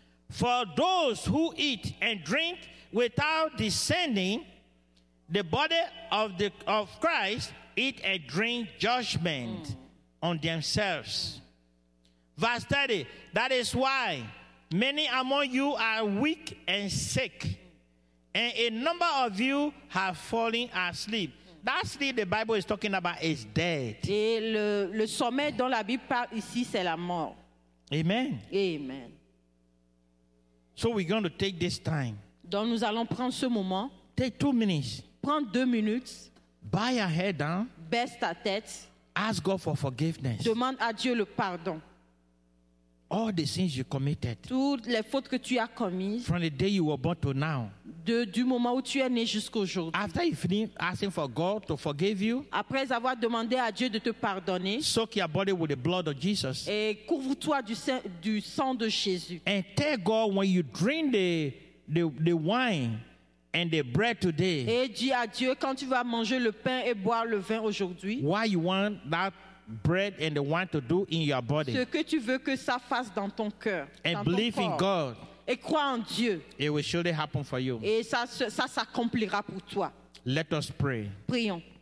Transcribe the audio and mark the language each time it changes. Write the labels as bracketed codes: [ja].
[en] For those who eat and drink without discerning the body of the of Christ eat and drink judgment on themselves. Verse 30, that is why many among you are weak and sick, and a number of you have fallen asleep. That sleep the Bible is talking about is dead. [fr] Et le sommeil dont la Bible parle ici, c'est la mort. Amen. Amen. [en] So we're going to take this time. [fr] Donc nous allons prendre ce moment. [en] Take 2 minutes. [fr] Prends 2 minutes. [en] Bow your head down. [fr] Baisse ta tête. [en] Ask God for forgiveness. [fr] Demande à Dieu le pardon. [en] All the sins you committed. [fr] Toutes les fautes que tu as commises. [en] From the day you were born to now. [fr] Du moment où tu es né jusqu'aujourd'hui. [en] After you finish asking for God to forgive you. [fr] Après avoir demandé à Dieu de te pardonner. [en] Soak your body with the blood of Jesus. [fr] Et couvre-toi du sang de Jésus. [en] And tell God when you drink the wine and the bread today. [fr] Et dis à Dieu quand tu vas manger le pain et boire le vin aujourd'hui. [en] Why you want that bread and the wine to do in your body. [fr] Ce que tu veux que ça fasse dans ton cœur. [en] And believe in God. [fr] Et crois en Dieu. [en] It will surely happen for you. [fr] Et ça s'accomplira pour toi. [en] Let us pray. [fr] Prions.